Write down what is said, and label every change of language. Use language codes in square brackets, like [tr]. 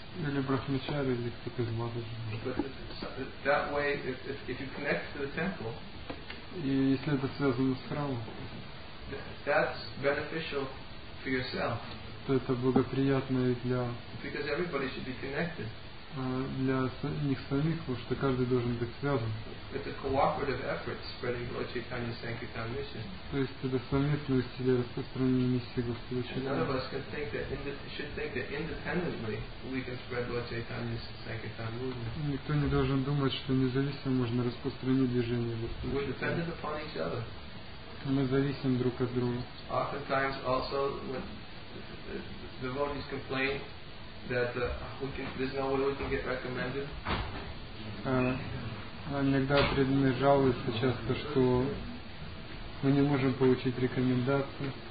[ru] или брахмачари, или кто-то из Матаджи. [en] That way, if you connect to the temple, [ru] и если это связано с храмом, [en] that's beneficial for yourself. [ru] То это благоприятно и для. [en] Because everybody should be connected. [ru] Для них самих, потому что каждый должен быть связан. [en] It's a cooperative effort spreading Lord Chaitanya's Sankirtan mission. [ru] То есть это совместное усилие распространения миссии Господа Чайтаньи. [en] None of us can think that should think that independently we can spread Lord Chaitanya's Sankirtan movement. [ru] Никто не должен думать, что независимо можно распространить движение Господа. [en] We're dependent upon each other. [ru] Мы зависим друг от друга. [en] Oftentimes also when the devotees complain that there's no way we can get recommended. [ru] Иногда преданные жалуются часто, что мы не можем получить рекомендации.